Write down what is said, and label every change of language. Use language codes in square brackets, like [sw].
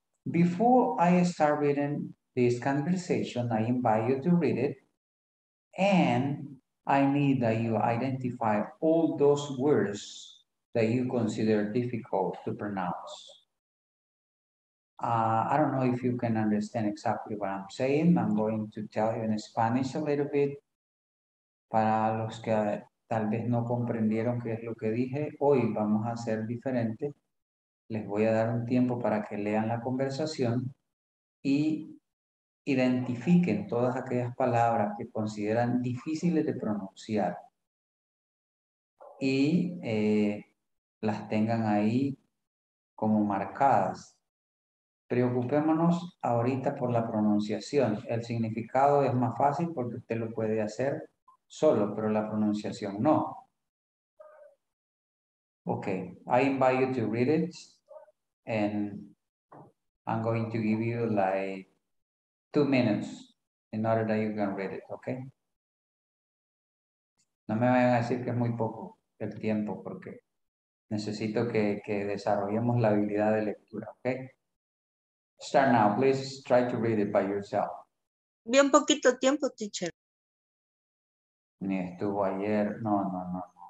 [en] Before I start reading this conversation, I invite you to read it, and I need that you identify all those words that you consider difficult to pronounce. I don't know if you can understand exactly what I'm saying. I'm going to tell you in Spanish a little bit. [es] Para los que tal vez no comprendieron qué es lo que dije, hoy vamos a hacer diferente. Les voy a dar un tiempo para que lean la conversación y identifiquen todas aquellas palabras que consideran difíciles de pronunciar y las tengan ahí como marcadas. Preocupémonos ahorita por la pronunciación. El significado es más fácil porque usted lo puede hacer solo, pero la pronunciación no. [en] Okay, I invite you to read it. And I'm going to give you like 2 minutes in order that you can read it, okay? [es] No me vayan a decir que es muy poco el tiempo porque necesito que desarrollemos la habilidad de lectura, okay? [en] Start now, please try to read it by yourself. [es] Bien poquito tiempo, teacher. Ni estuvo ayer, no.